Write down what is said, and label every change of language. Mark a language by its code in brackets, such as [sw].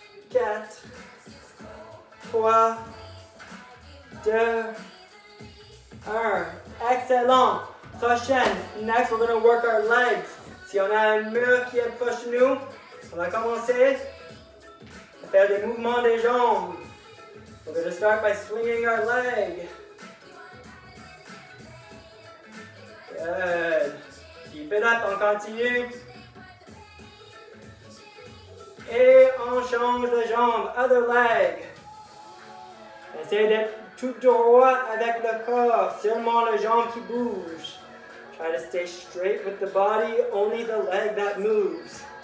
[fr] Quatre. Trois. Deux. Un. Excellent. Prochaine. [en] Next, we're going to work our legs. [fr] Si on a un mur qui est proche de nous, on va commencer à faire des mouvements des jambes. [en] We're going to start by swinging our leg. Good. Keep it up, [fr] on continue. Et on change de jambe. [en] Other leg. [fr] Essayez d'être tout droit avec le corps, seulement la jambe qui bouge. [en] Try to stay straight with the body, only the leg that moves.